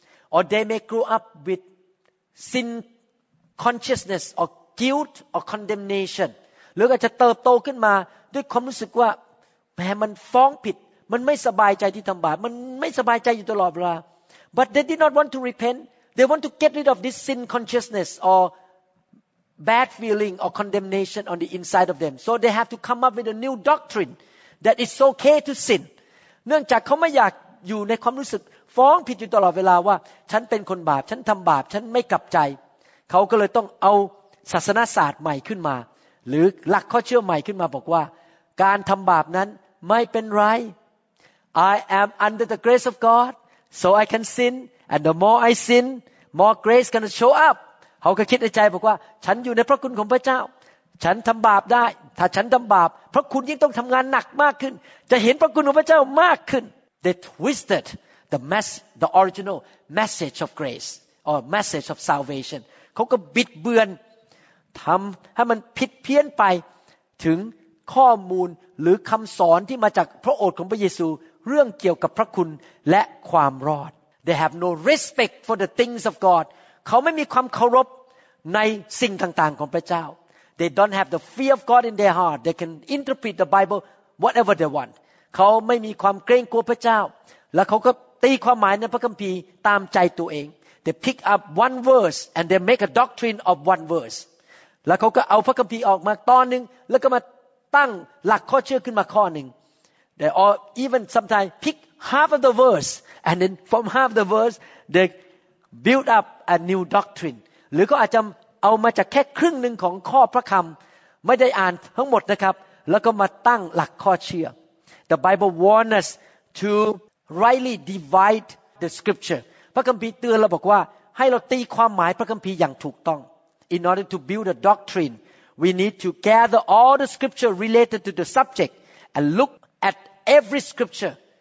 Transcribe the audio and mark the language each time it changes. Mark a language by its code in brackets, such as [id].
[en] or they may grow up with sin consciousness orguilt or condemnation [th] หรืออาจจะเติบโตขึ้นมาด้วยความรู้สึกว่าแหมมันฟ้องผิดมันไม่สบายใจที่ทำบาปมันไม่สบายใจอยู่ตลอดเวลา [en] but they did not want to repent they want to get rid of this sin consciousness or bad feeling or condemnation on the inside of them so they have to come up with a new doctrine that it's okay to sin [th] เนื่องจากเขาไม่อยากอยู่ในความรู้สึกฟ้องผิดอยู่ตลอดเวลาว่าฉันเป็นคนบาปฉันทำบาปฉันไม่กลับใจเขาก็เลยต้องเอาศาสนศาสตร์ใหม่ขึ้นมาหรือหลักข้อเชื่อใหม่ขึ้นมาบอกว่าการทำบาปนั้นไม่เป็นไร [en] I am under the grace of God so I can sin and the more I sin more grace gonna show up [th] เขาก็คิดในใจบอกว่าฉันอยู่ในพระคุณของพระเจ้าฉันทำบาปได้ถ้าฉันทำบาปพระคุณยิ่งต้องทำงานหนักมากขึ้นจะเห็นพระคุณของพระเจ้ามากขึ้น [en] They twisted the mess the original message of grace or message of salvation [th] เขาก็บิดเบือนทำให้มันผิดเพี้ยนไปถึงข้อมูลหรือคำสอนที่มาจากพระโอษฐ์ของพระเยซูเรื่องเกี่ยวกับพระคุณและความรอด [en] They have no respect for the things of God [th] เขาไม่มีความเคารพในสิ่งต่างๆของพระเจ้า [en] They don't have the fear of God in their heart they can interpret the Bible whatever they want [th] เขาไม่มีความเกรงกลัวพระเจ้าและเขาก็ตีความหมายในพระคัมภีร์ตามใจตัวเอง [en] They pick up one verse and they make a doctrine of one verse [th] แล้วเขาก็เอาพระคัมภีร์ออกมาตอนนึงแล้วก็มาตั้งหลักข้อเชื่อขึ้นมาข้อหนึ่ง [en] They all even sometimes pick half of the verse and then from half the verse they build up a new doctrine [th] หรือก็อาจจะเอามาจากแค่ครึ่งหนึ่งของข้อพระคำไม่ได้อ่านทั้งหมดนะครับแล้วก็มาตั้งหลักข้อเชื่อ [en] The Bible warns us to rightly divide the scripture [th] พระคัมภีร์เตือนเราบอกว่าให้เราตีความหมายพระคัมภีร์อย่างถูกต้อง [en] In order to build a doctrine we need to gather all the scripture related to the subject and look at every scripture